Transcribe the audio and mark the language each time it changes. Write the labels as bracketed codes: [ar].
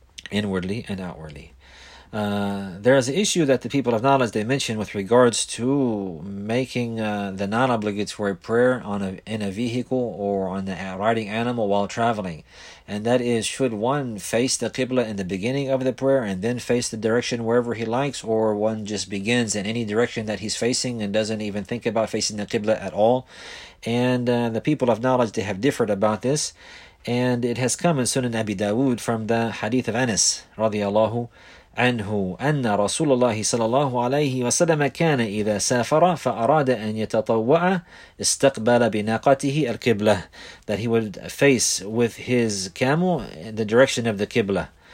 [en] Inwardly and outwardly. There is an issue that the people of knowledge, they mention with regards to making the non-obligatory prayer in a vehicle or on the riding animal while traveling. And that is, should one face the Qibla in the beginning of the prayer and then face the direction wherever he likes, or one just begins in any direction that he's facing and doesn't even think about facing the Qibla at all? And the people of knowledge, they have differed about this. And it has come in Sunan Abi Dawood from the Hadith of Anas, radiyallahu [ar] عنه أن رسول الله صلى الله عليه وسلم كان إذا سافر فأراد أن يتطوع استقبل بناقته القبلة. [en] That he would face with his camel in the direction of the Qibla.